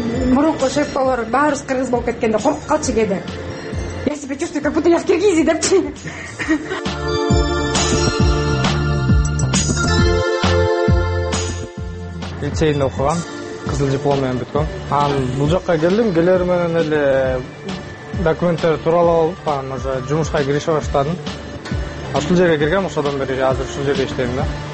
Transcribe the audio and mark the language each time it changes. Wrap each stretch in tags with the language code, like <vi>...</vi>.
<ky>Мурунку шеф-повар баарыбыз кыргыз болуп кеткенде коркуп калчу кээде.</ky> <ru>Я себя чувствую, как будто я в Киргизии</ru> <ky>депчи. Лицейинде окуган, кызыл диплом менен бүткөм. Анан бул жакка келдим, келер менен эле документтерди тууралап алып, анан уже жумушка кирише баштадым. Ушул жерге киргем, ошодон бери азыр ушул жерде иштейм да.</ky>